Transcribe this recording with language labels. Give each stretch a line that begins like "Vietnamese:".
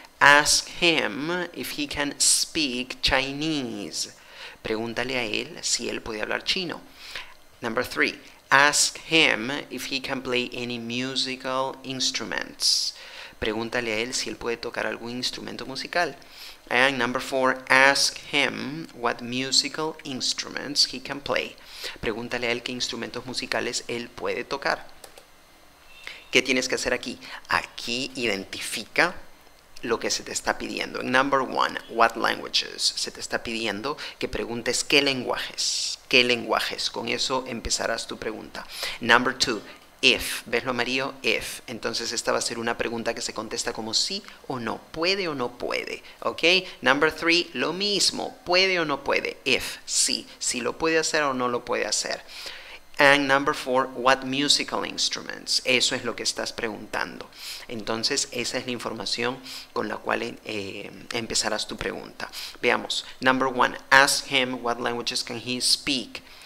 English: Ask him if he can speak Chinese.
Spanish: Pregúntale a él si él puede hablar chino.
English: Number three. Ask him if he can play any musical instruments.
Spanish: Pregúntale a él si él puede tocar algún instrumento musical.
English: And number four. Ask him what musical instruments he can play.
Spanish: Pregúntale a él qué instrumentos musicales él puede tocar. ¿Qué tienes que hacer aquí? Aquí identifica lo que se te está pidiendo. En
English: number one, what languages,
Spanish: se te está pidiendo que preguntes qué lenguajes. ¿Qué lenguajes? Con eso empezarás tu pregunta.
English: Number two, if.
Spanish: ¿Ves lo amarillo? If. Entonces esta va a ser una pregunta que se contesta como sí o no. ¿Puede o no puede? ¿Ok?
English: Number three,
Spanish: lo mismo. ¿Puede o no puede? If. Sí. Si lo puede hacer o no lo puede hacer.
English: And number four, what musical instruments?
Spanish: Eso es lo que estás preguntando. Entonces, esa es la información con la cual empezarás tu pregunta. Veamos.
English: Number one, ask him what languages can he speak.